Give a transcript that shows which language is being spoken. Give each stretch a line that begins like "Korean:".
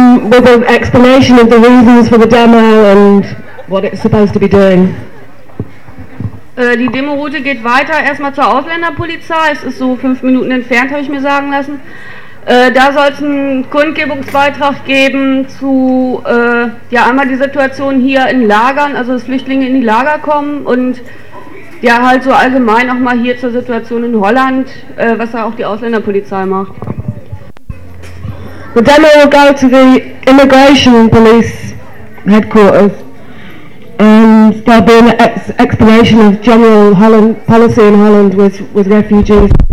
English: With an explanation of the reasons for the demo and what it's supposed to be doing.
German: Die Demo-Route geht weiter, erstmal zur Ausländerpolizei. Es ist so 5 Minuten entfernt, habe ich mir sagen lassen. Da soll es einen Kundgebungsbeitrag geben zu ja einmal die Situation hier in Lagern, also dass Flüchtlinge in die Lager kommen und ja halt so allgemein auch mal hier zur Situation in Holland, was da auch die Ausländerpolizei macht.
English: The demo will go to the immigration police headquarters and there'll be an explanation of general Holland policy in Holland with refugees.